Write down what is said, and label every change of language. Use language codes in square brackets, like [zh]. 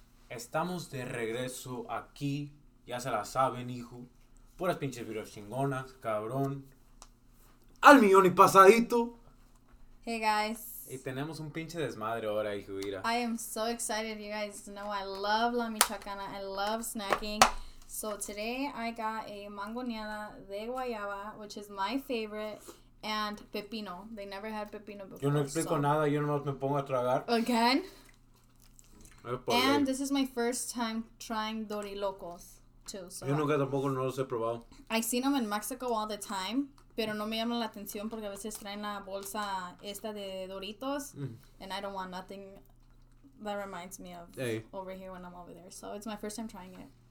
[es] Estamos de regreso aquí. Ya se la saben, hijo. Puras pinches videos chingonas, cabrón. ¡Al millón y pasadito! [en] Hey, guys. [es] Y tenemos un pinche desmadre ahora, hijo, mira. [en] I am so excited, you guys know. I love la michoacana. I love snacking. So, today I got a mangoneada de guayaba, which is my favorite. And pepino. They never had pepino before. [es] Yo no explico nada. Yo no me pongo a tragar. [en] Again? And this is my first time trying Dorilocos, too. So [es] yo nunca tampoco no los he probado. [en] I seen them in Mexico all the time. [es] Pero no me llama la atención porque a veces traen la bolsa esta de Doritos. [en] And I don't want nothing that reminds me of over here when I'm over there. So it's my first time trying it.